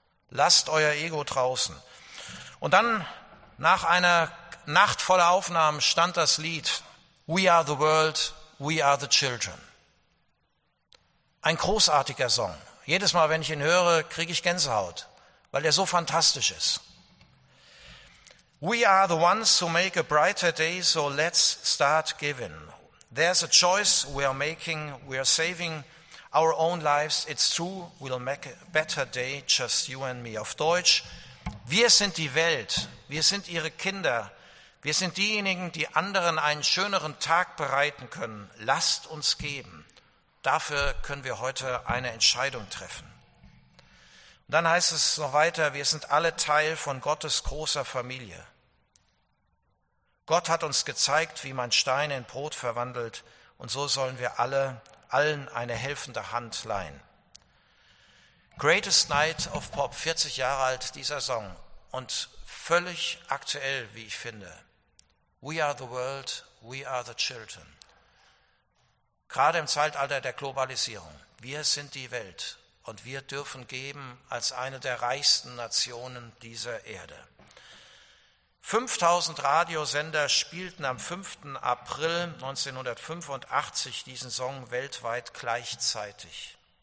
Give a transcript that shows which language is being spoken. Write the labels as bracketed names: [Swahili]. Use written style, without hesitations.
[German] Lasst euer Ego draußen. Und dann, nach einer Nacht voller Aufnahmen, stand das Lied [English] We are the world, we are the children. [German] Ein großartiger Song. Jedes Mal, wenn ich ihn höre, kriege ich Gänsehaut, weil er so fantastisch ist. [English] We are the ones who make a brighter day, so let's start giving. There's a choice we are making, we are saving our own lives, it's true, we'll make a better day, just you and me. [German] Auf Deutsch, wir sind die Welt, wir sind ihre Kinder, wir sind diejenigen, die anderen einen schöneren Tag bereiten können. Lasst uns geben. Dafür können wir heute eine Entscheidung treffen. Und dann heißt es noch weiter, wir sind alle Teil von Gottes großer Familie. Gott hat uns gezeigt, wie man Steine in Brot verwandelt und so sollen wir allen eine helfende Hand leihen. Greatest Night of Pop, 40 Jahre alt, dieser Song. Und völlig aktuell, wie ich finde. [English] We are the world, we are the children. [German] Gerade im Zeitalter der Globalisierung. Wir sind die Welt und wir dürfen geben als eine der reichsten Nationen dieser Erde. 5000 Radiosender spielten am 5. April 1985 diesen Song weltweit gleichzeitig.